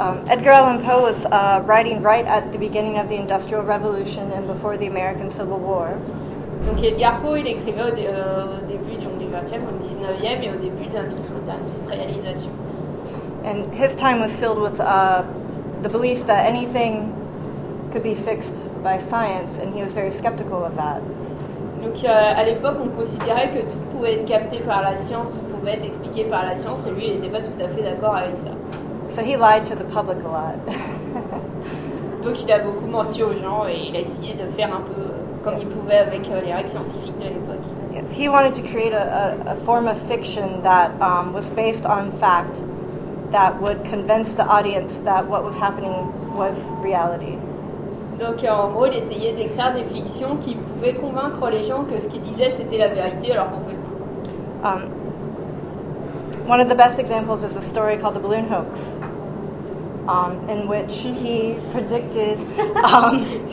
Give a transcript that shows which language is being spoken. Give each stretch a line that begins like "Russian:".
English: Edgar Allan Poe was writing right at the beginning of the Industrial Revolution and before the American Civil War.
French: Donc Edgar Poe, il écrivait au début du 20e, au 19e et au début de l'industrialisation.
English: And his time was filled with the belief that anything could be fixed by science, and he was very skeptical of that.
French: Donc à l'époque, on considérait que tout pouvait être capté par la science, ou pouvait être expliqué par la science, et lui, il n'était pas tout à fait d'accord avec ça.
English: So he lied to the public a lot.
French: Donc il a beaucoup menti aux gens, et il a essayé de faire un peu comme il pouvait avec les règles scientifiques de l'époque.
English: Yes, he wanted to create a form of fiction that was based on fact, that would convince the audience that what was happening was reality.
French: Donc en gros, il essayait d'écrire des fictions qui pouvaient convaincre les gens que ce qu'ils disaient c'était la vérité alors qu'en fait.
English: One of the best examples is a story called The Balloon Hoax, in which he predicted balloon hoax.